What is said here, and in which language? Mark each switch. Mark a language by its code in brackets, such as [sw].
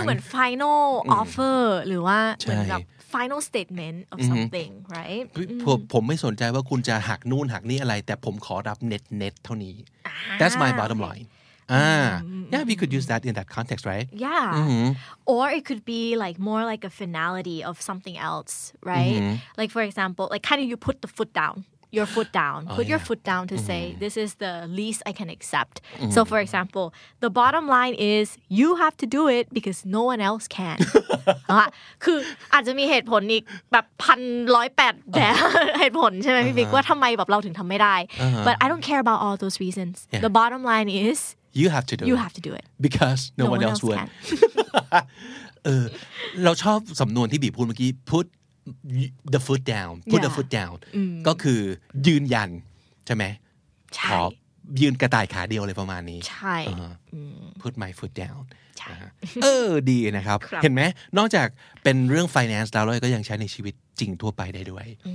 [th] มันคือเหมือน [en] final offer [th] หรือว่าเหมือนกับ [en] final statement of something right [th] ผมไม่สนใจว่าคุณจะหักนู่นหักนี่อะไรแต่ผมขอรับเน็ตๆเท่านี้ [en] That's my bottom line yeah we could use that in that context right yeah or it could be like more like a finality of something else right like for example like kind of you put the foot down your foot down put your foot down to say this is the least I can accept so for example the bottom line is you have to do it because no one else can [th] คืออาจจะมีเหตุผลอีกแบบ108แบบเหตุผลใช่มั้ยพี่บิ๊กว่าทําไมแบบเราถึงทําไม่ได้ [en] but I don't care about all those reasons the bottom line is you have to do it you have to do it because no one else would [th] เราชอบสำนวนที่บีพูดเมื่อกี้ [en] putthe foot down put the foot down [th] ก็คือยืนยันใช่ไหม ใช่ ขอยืนกระต่ายขาเดียวเลยประมาณนี้ใช่ [en] put my foot down [th] เออดีนะครับเห็นไหมนอกจากเป็นเรื่อง finance แล้วก็ยังใช้ในชีวิตจริงทั่วไปได้ด้วย